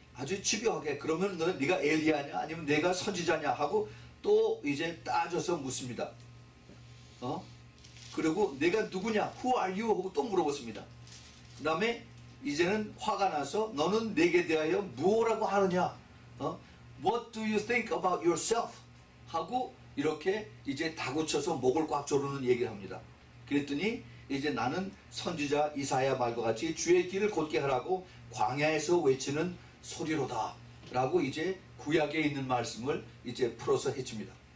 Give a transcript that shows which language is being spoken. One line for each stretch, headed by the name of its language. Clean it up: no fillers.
Korean: 아주 집요하게 그러면 너는 네가 엘리야냐 아니면 내가 선지자냐 하고 또 이제 따져서 묻습니다. 어? 그리고 내가 누구냐?
English: Who are you?
Korean: 하고 또 물어봤습니다. 그 다음에 이제는 화가 나서 너는 내게 대하여 무엇이라고 하느냐? 어?
English: What do you think about yourself?
Korean: 하고 이렇게 이제 다구쳐서 목을 꽉 조르는 얘기를 합니다. 그랬더니 이제 나는 선지자 이사야 말과 같이 주의 길을 곧게 하라고 광야에서 외치는 소리로다 라고 이제 구약에 있는 말씀을 이제 풀어서 해칩니다.